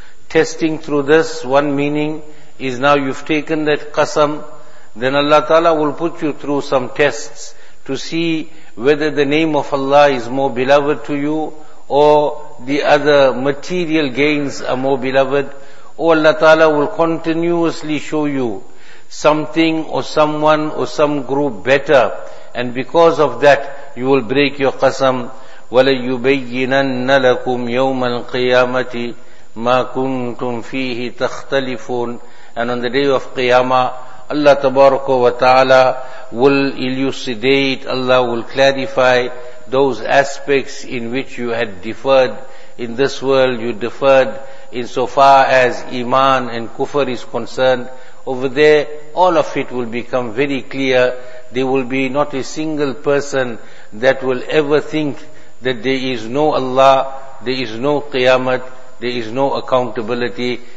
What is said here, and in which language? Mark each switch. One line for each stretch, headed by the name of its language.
English: Testing through this, one meaning is now you've taken that qasam, then Allah Ta'ala will put you through some tests to see whether the name of Allah is more beloved to you, or the other material gains are more beloved. Oh, Allah Ta'ala will continuously show you something or someone or some group better, and because of that you will break your qasam.
Arabic: وَلَيُبَيِّنَنَّ لَكُمْ يَوْمَ الْقِيَامَةِ مَا كُنْتُمْ فِيهِ تَخْتَلِفُونَ.
English: And on the day of Qiyamah, Allah Tabaraka wa Ta'ala will elucidate, Allah will clarify those aspects in which you had deferred in this world, you deferred insofar as Iman and Kufr is concerned. Over there, all of it will become very clear. There will be not a single person that will ever think that there is no Allah, there is no Qiyamah, there is no accountability.